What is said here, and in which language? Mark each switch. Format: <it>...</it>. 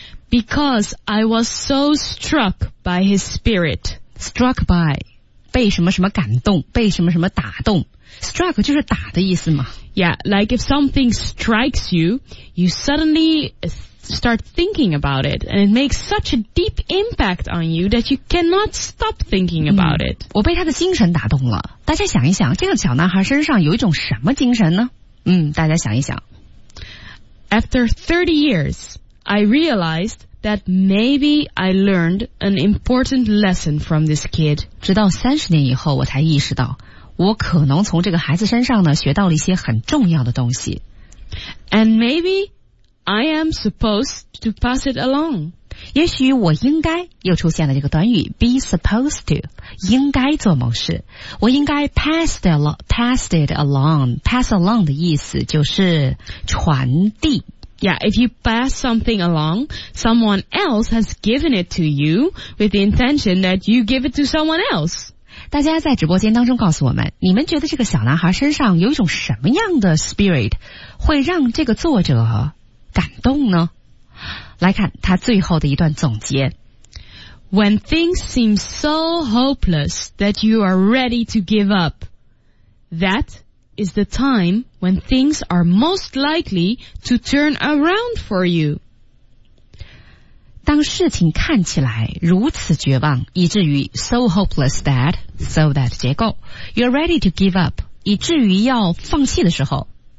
<en>Because I was so struck by his spirit. Struck by.</en> <zh>被什么什么感动，被什么什么打动。 Struck 就是打的意思嘛。</zh> <en>Yeah, like if something strikes you, you suddenly start thinking about it, and it makes such a deep impact on you that you cannot stop thinking about it.、</en> <zh>我被他的精神打动了。大家想一想，这个小男孩身上有一种什么精神呢？大家想一想。</zh> <en>After 30 years, I realized... That maybe I learned an important lesson from this kid.</en> <zh>直到30年以后，我才意识到，我可能从这个孩子身上呢，学到了一些很重要的东西。</zh> <en>And maybe I am supposed to pass it along.</en> <zh>也许我应该，又出现了这个短语</zh> <en>be supposed to,</en> <zh>应该做某事。我应该</zh> <en>pass it along. Pass along</en> <zh>的意思就是传递。</zh> <en>Yeah, if you pass something along, someone else has given it to you with the intention that you give it to someone else.</en> <zh>大家在直播间当中告诉我们，你们觉得这个小男孩身上有一种什么样的 spirit 会让这个作者感动呢？来看他最后的一段总结。</zh> <en>When things seem so hopeless that you are ready to give up, that... is the time when things are most likely to turn around for you.</en> <zh>当事情看起来如此绝望，以至于</zh> <en>so hopeless that, so that</en> <zh>结构，</zh> <en>you're ready to give up,</en> <zh>以至于要放弃的时候，</zh>